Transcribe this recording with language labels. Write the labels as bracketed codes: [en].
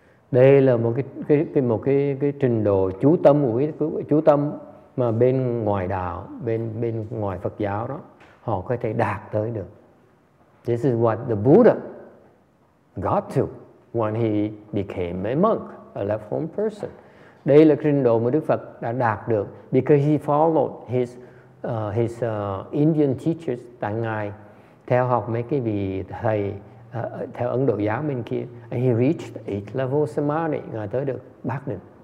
[vi] Đây là một cái trình độ chú tâm mà bên ngoài đạo, bên ngoài Phật giáo đó, họ có thể đạt tới được. [en] This is what the Buddha got to when he became a monk, a left-home person. [vi] Đây là trình độ mà Đức Phật đã đạt được [en] because he followed his Indian teachers, [vi] tại Ngài theo học mấy cái vị thầy theo Ấn Độ giáo bên kia. [en] And he reached eighth level samadhi, [vi] Ngài tới được bát định.